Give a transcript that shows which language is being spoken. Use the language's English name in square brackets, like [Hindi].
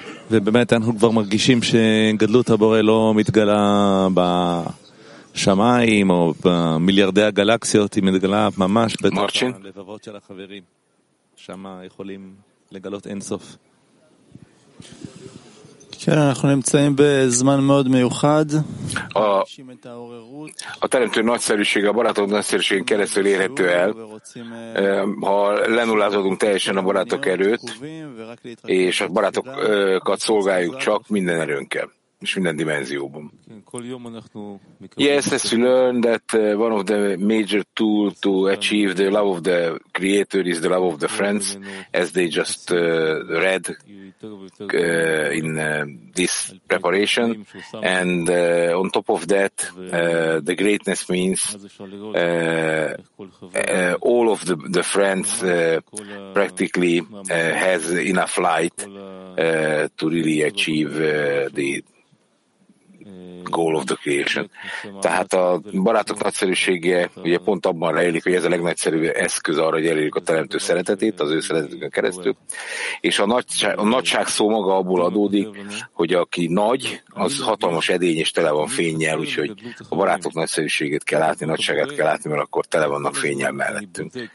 [Hebrew] ובאמת אנחנו כבר מרגישים שגדלות הבורא לא מתגלה בשמיים או במיליארדי הגלקסיות, היא מתגלה ממש בתוך הלבבות של החברים. שם יכולים לגלות אינסוף. כן, אנחנו נמצאים בזמן מאוד מיוחד. [Hungarian] A teremtő nagyszerűség, a barátok nagyszerűségén keresztül érhető el. Ha lenullázódunk teljesen a barátok erőt, és a barátokat szolgáljuk csak minden erőnkkel, és minden dimenzióban. [English] Yes, as we learn that one of the major tools to achieve the love of the Creator is the love of the friends, as they just read in this preparation. And on top of that, the greatness means all of the friends practically has enough light to really achieve the goal of the creation. [Hungarian] Tehát a barátok nagyszerűsége ugye pont abban rejlik, hogy ez a legnagyszerűbb eszköz arra, hogy elérjük a teremtő szeretetét, az ő szeretetünkön keresztül. És a nagyság szó maga abból adódik, hogy aki nagy, az hatalmas edény és tele van fénnyel, úgyhogy a barátok nagyszerűségét kell látni, nagyságát kell látni, mert akkor tele vannak fénnyel mellettünk.